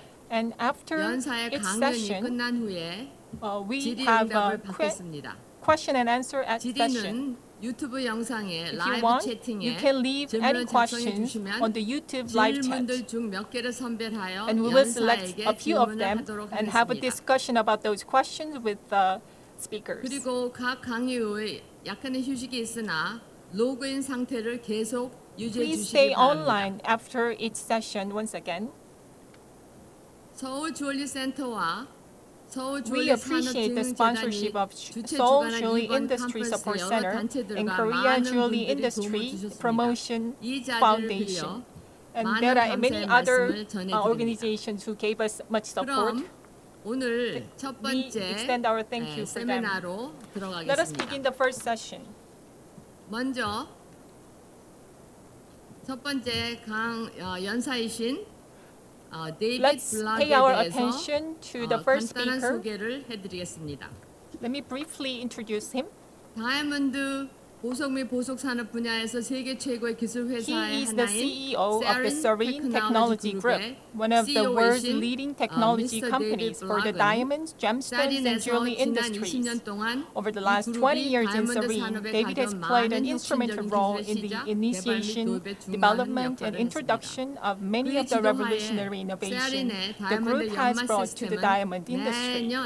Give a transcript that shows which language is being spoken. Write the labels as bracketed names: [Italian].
[English] And after each session, we have a question and answer session. If you want, you can leave any questions on the YouTube live chat, and we will select a few of them and have a discussion about those questions with the speakers. [Korean] 그리고 각 강의 후에 약간의 휴식이 있으나 로그인 상태를 계속 유지해 주시기 바랍니다. [English] Please stay online after each session once again. [Korean] 서울 주얼리 센터와 [English] We appreciate the sponsorship of Seoul Jewelry Industry Support Center and Korea Jewelry Industry Promotion Foundation. And there are many other organizations who gave us much support. We extend our thank you for them. Let us begin the first session. [Korean] 먼저 첫 번째 강 연사이신 데이빗 [English] Let's pay our attention to the first speaker. [Korean] 간단한 소개를 해드리겠습니다. [English] Let me briefly introduce him. [Korean] 다이아몬드 보석 및 보석 산업 분야에서 세계 최고의 기술 회사의 [English] He is the CEO of the Serene Technology Group, one of the world's leading technology companies for the diamonds, gemstones, and jewelry industries. Over the last 20 years in Serene, David has played an instrumental role in the initiation, development, and introduction of many of the revolutionary innovations the group has brought to the diamond industry.